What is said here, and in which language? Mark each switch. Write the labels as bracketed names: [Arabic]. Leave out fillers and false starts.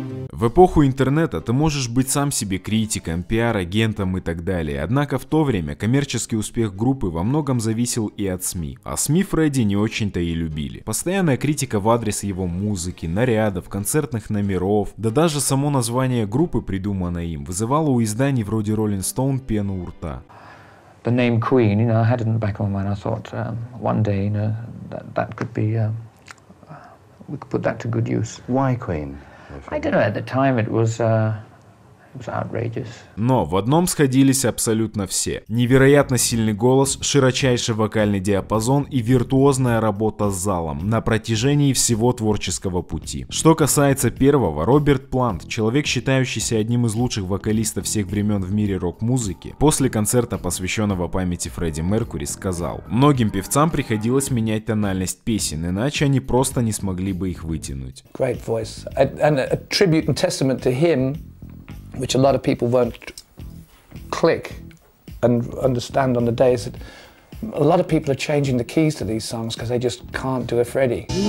[Russian] В эпоху интернета ты можешь быть сам себе критиком, пиар-агентом и так далее, однако в то время коммерческий успех группы во многом зависел и от СМИ. А СМИ Фредди не очень-то и любили. Постоянная критика в адрес его музыки, нарядов, концертных номеров, да даже само название группы, придуманное им, вызывало у изданий вроде Rolling Stone пену у рта. [English] The name Queen, you know, I had it in the back of my mind, I thought one day, you know, that could be, we could put that to good use. Why Queen? I don't know, at the time it was outrageous. [Russian] Но в одном сходились абсолютно все. Невероятно сильный голос, широчайший вокальный диапазон и виртуозная работа с залом на протяжении всего творческого пути. Что касается первого, Роберт Плант, человек, считающийся одним из лучших вокалистов всех времен в мире рок-музыки, после концерта, посвященного памяти Фредди Меркьюри, сказал: «Многим певцам приходилось менять тональность песен, иначе они просто не смогли бы их вытянуть». [English] Great voice. And a tribute and testament to him, which a lot of people won't click and understand on the day, is that a lot of people are changing the keys to these songs because they just can't do a Freddie.